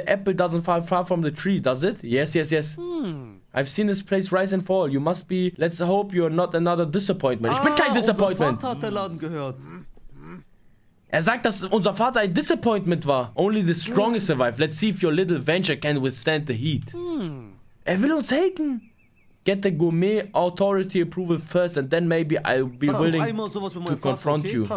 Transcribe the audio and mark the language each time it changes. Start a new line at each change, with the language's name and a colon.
English: The apple doesn't fall far from the tree, does it? Yes. I've seen this place rise and fall. You must be... Let's hope you're not another disappointment.
German: Ich bin kein Disappointment. Unser Vater hat der Laden gehört. Er sagt, dass unser Vater ein Disappointment war.
English: Only the strongest survive. Let's see if your little venture can withstand the heat.
German: Er will uns haten.
English: Get the gourmet authority approval first and then maybe I'll be willing to confront you.